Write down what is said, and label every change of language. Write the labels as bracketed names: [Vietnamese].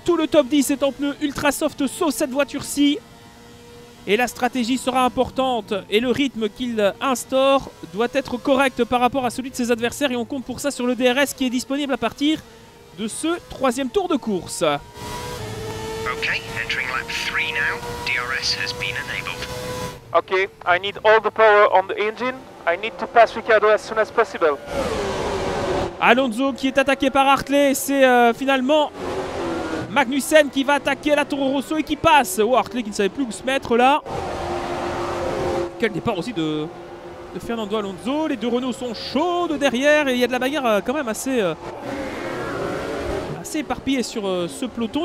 [French] Tout le top 10 est en pneus ultra soft sauf cette voiture-ci. Et la stratégie sera importante et le rythme qu'il instaure doit être correct par rapport à celui de ses adversaires. Et on compte pour ça sur le DRS qui est disponible à partir de ce troisième tour de course. [English] Okay, entering lap 3 now. DRS has been enabled. Okay, I need all the power on the engine. I need to pass Ricciardo as soon as possible. [French] Alonso qui est attaqué par Hartley, c'est finalement Magnussen qui va attaquer la Toro Rosso et qui passe. Oh, Hartley qui ne savait plus où se mettre là. Quel départ aussi de Fernando Alonso. Les deux Renault sont chauds de derrière et il y a de la bagarre quand même assez assez éparpillée sur ce peloton.